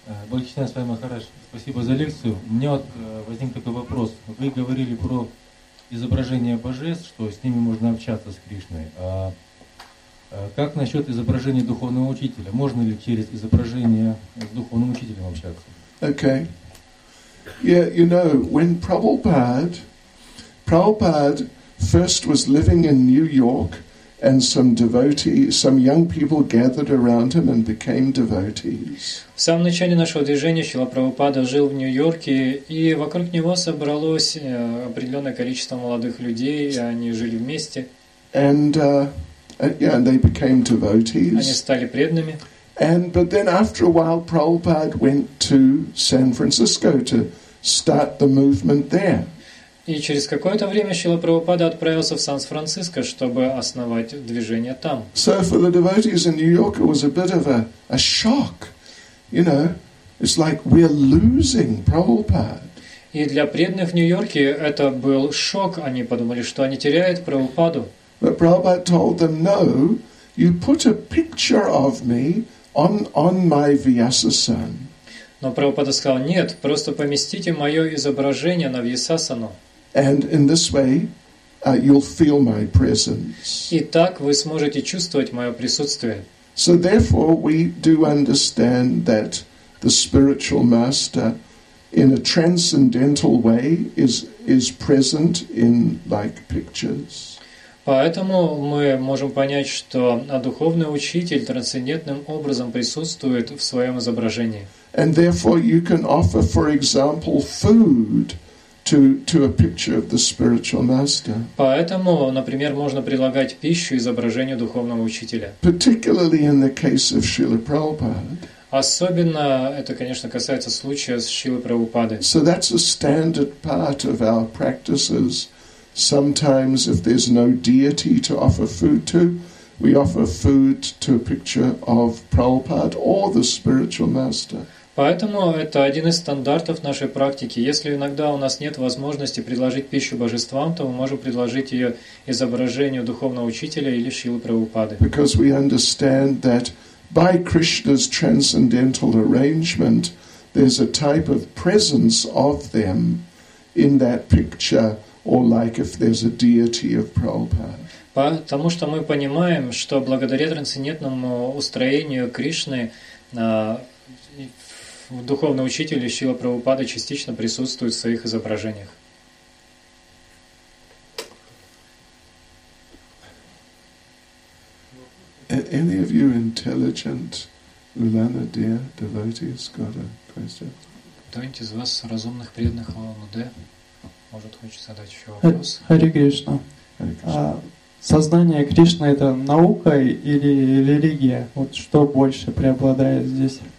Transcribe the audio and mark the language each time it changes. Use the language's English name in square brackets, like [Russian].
[Russian] Благодарю вас, Махарадж. Спасибо за лекцию. У меня вот возник такой вопрос. Вы говорили про изображение божеств, что с ними можно общаться, с Кришной. А как насчет изображения духовного учителя? Можно ли через изображение с духовным учителем общаться? [English] Okay. Yeah, you know, when Prabhupada first was living in New York, and some young people gathered around him and became devotees. [Russian] В самом начале нашего движения Шрила Прабхупада жил в Нью-Йорке, и вокруг него собралось определенное количество молодых людей, и они жили вместе. [English] And they became devotees. [Russian] Они стали преданными. [English] But then after a while, Prabhupada went to San Francisco to start the movement there. [Russian] И через какое-то время Шрила Прабхупада отправился в Сан-Франциско, чтобы основать движение там. [English] So for the devotees in New York, it was a bit of a shock. You know, it's like we're losing Prabhupada. [Russian] И для преданных в Нью-Йорке это был шок. Они подумали, что они теряют Прабхупаду. [English] But Prabhupada told them, no, you put a picture of me on my Vyasasan. [Russian] Но Прабхупада сказал, нет, просто поместите мое изображение на Вьясасану. [English] And in this way, you'll feel my presence. [Russian] И так вы сможете чувствовать мое присутствие. [English] So therefore, we do understand that the spiritual master in a transcendental way is present in like pictures. [Russian] Поэтому мы можем понять, что духовный учитель трансцендентным образом присутствует в своем изображении. [English] And therefore you can offer, for example, food to a picture of the spiritual master. [Russian] Поэтому, например, можно предлагать пищу изображению духовного учителя. [English] Particularly in the case of Srila Prabhupada. [Russian] Особенно это, конечно, касается случая с Шрилой Прабхупадой. [English] So that's a standard part of our practices. Sometimes, if there's no deity to offer food to, we offer food to a picture of Prabhupada or the spiritual master. [Russian] Поэтому это один из стандартов нашей практики. Если иногда у нас нет возможности предложить пищу божествам, то мы можем предложить ее изображению духовного учителя или Шрилы Прабхупады. [English] Because we understand that by Krishna's transcendental arrangement, there's a type of presence of them in that picture. Or like if there's a deity of Prabhupada. [Russian] Потому что мы понимаем, что благодаря трансцендентному устроению Кришны духовный учитель Шрила Прабхупада частично присутствует в своих изображениях. [English] Any of you intelligent Lulana Deer devotees got a question? [Russian] Кто-нибудь из вас разумных преданных Лулана-де может хочет задать еще вопрос? [English] Hare Krishna. [Russian] Сознание Кришны — это наука или религия? Вот что больше преобладает здесь?